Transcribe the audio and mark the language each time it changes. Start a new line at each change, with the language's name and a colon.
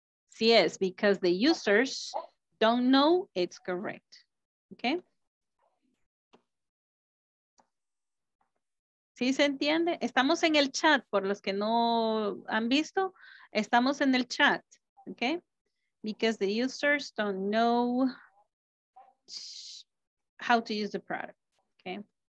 Spanish: Si es
English: because the users don't know, it's correct, okay?
Spanish: ¿Sí se entiende? Estamos en el chat, por los que no han visto, estamos en el chat, okay?
English: Because the users don't know how to use the product, okay?